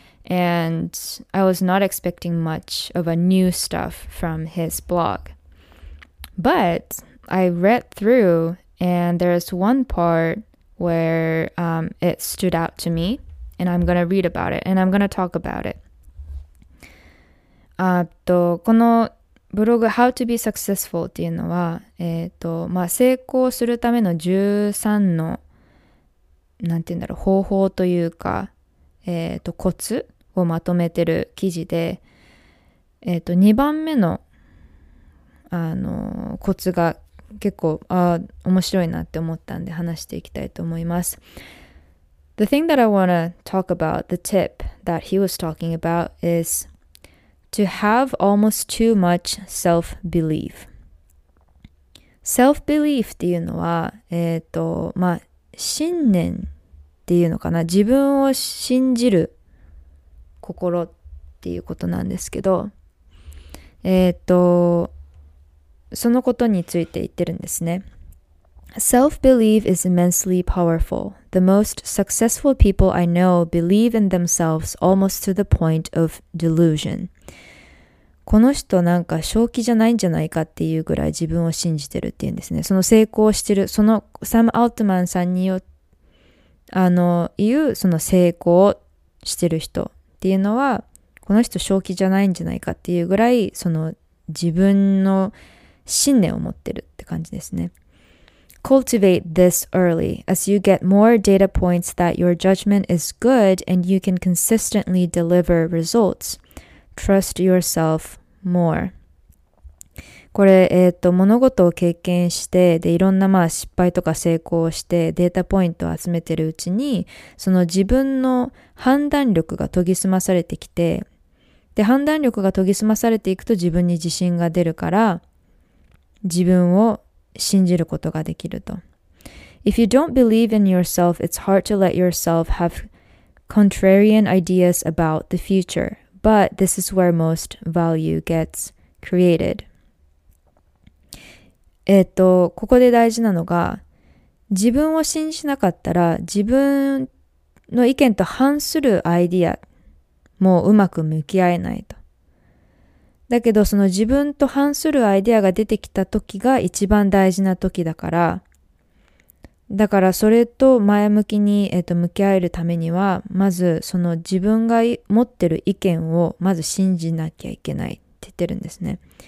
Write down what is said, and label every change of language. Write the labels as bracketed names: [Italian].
[English] And I was not expecting much of a new stuff from his blog. But I read through, and there's one part where it stood out to me, and I'm going to read about it, and I'm going to talk about it. [Japanese] このブログ [English] How to be successful [Japanese] っていうのは、まあ、成功するための13の、なんて言うんだろう、方法というか、コツをまとめてる記事で、2番目の、コツが結構、面白いなって思ったんで話していきたいと思います。 [English] The thing that I want to talk about, the tip that he was talking about isTo have almost too much self-belief. [Japanese] Self-belief っていうのは、まあ、信念っていうのかな。自分を信じる心っていうことなんですけど、そのことについて言ってるんですね。 [English] Self-belief is immensely powerful. The most successful people I know believe in themselves almost to the point of delusion. [Japanese] この人なんか正気じゃないんじゃないかっていうぐらい自分を信じてるっていうんですね。その成功してる、そのサム・アルトマンさんによ、言うその成功してる人っていうのは、この人正気じゃないんじゃないかっていうぐらい、その自分の信念を持ってるって感じですね。 [English] Cultivate this early. As you get more data points that your judgment is good and you can consistently deliver results.Trust yourself more. [Japanese] これ、物事を経験して、で、いろんな、まあ、失敗とか成功をして、データポイントを集めてるうちに、その自分の判断力が研ぎ澄まされてきて、で、判断力が研ぎ澄まされていくと自分に自信が出るから、自分を信じることができると。 [English] If you don't believe in yourself, it's hard to let yourself have contrarian ideas about the future. But this is where most value gets created. [Japanese] ここで大事なのが、自分を信じなかったら、自分の意見と反するアイディアもうまく向き合えないと。だけど、その自分と反するアイディアが出てきた時が一番大事な時だから、だからそれと前向きに、向き合えるためには、まずその自分が持ってる意見をまず信じなきゃいけないって言ってるんですね。